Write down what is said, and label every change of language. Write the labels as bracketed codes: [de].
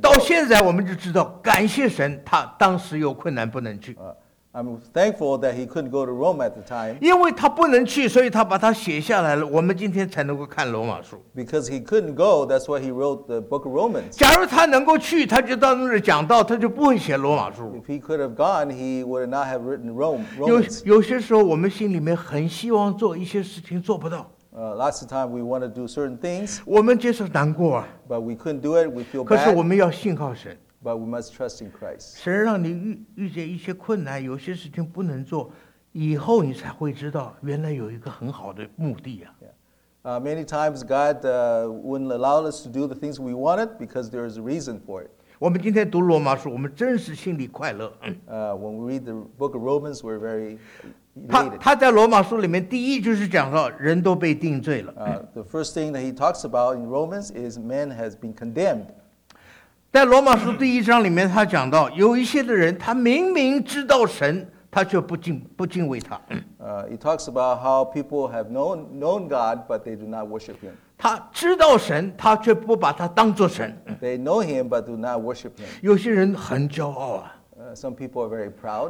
[zh] 到现在我们就知道，感谢神，他当时有困难不能去。 [en] I'm thankful that he couldn't go to Rome at the time. [zh] 因为他不能去，所以他把它写下来了。我们今天才能够看罗马书。 [en] Because he couldn't go, that's why he wrote the book of Romans. [zh] 假如他能够去，他就到那里讲道，他就不会写罗马书。 [en] If he could have gone, he would not have written Rome. [zh] 有些时候，我们心里面很希望做一些事情，做不到。 [en] Lots of time we want to do certain things. [zh] 我们接受难过啊。 [en] But we couldn't do it. We feel bad. [zh] 可是我们要信靠神。 [en] But we must trust in Christ. [zh] 神让你遇见一些困难，有些事情不能做，以后你才会知道，原来有一个很好的目的啊。 [en] Yeah. Many times God wouldn't allow us to do the things we wanted because there is a reason for it. [zh] 我们今天读罗马书，我们真是心里快乐。 [en] When we read the book of Romans, we're very [zh] 他在罗马书里面第一就是讲到人都被定罪了。 [en] The first thing that he talks about in Romans is man has been condemned. [zh] 在罗马书第一章里面他讲到有一些的人他明明知道神他却不敬畏他。 [en] He talks about how people have known God, but they do not worship him. [zh] 他知道神他却不把他当作神。 [en] They know him, but do not worship him. [zh] 有些人很骄傲啊。 [en] Some people are very proud.